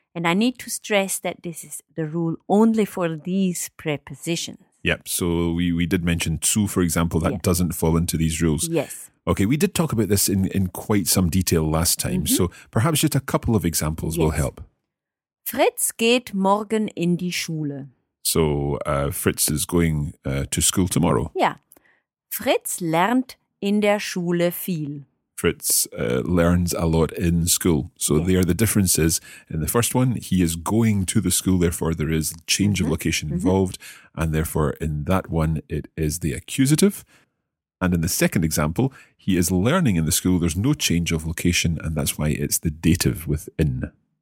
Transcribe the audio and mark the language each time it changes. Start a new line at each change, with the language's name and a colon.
English: And I need to stress that this is the rule only for these prepositions. Yep. So we did mention zu, for example, that doesn't fall into these rules. Yes. Okay. We did talk about this in quite some detail last time. Mm-hmm. So perhaps just a couple of examples will help.
German: Fritz geht morgen in die Schule.
English: So Fritz is going to school tomorrow. Yeah.
German: Fritz lernt in der Schule viel.
English: Fritz learns a lot in school. So there the difference is, in the first one, he is going to the school, therefore there is change of location involved, and therefore in that one, it is the accusative. And in the second example, he is learning in the school, there's no change of location, and that's why it's the dative with in.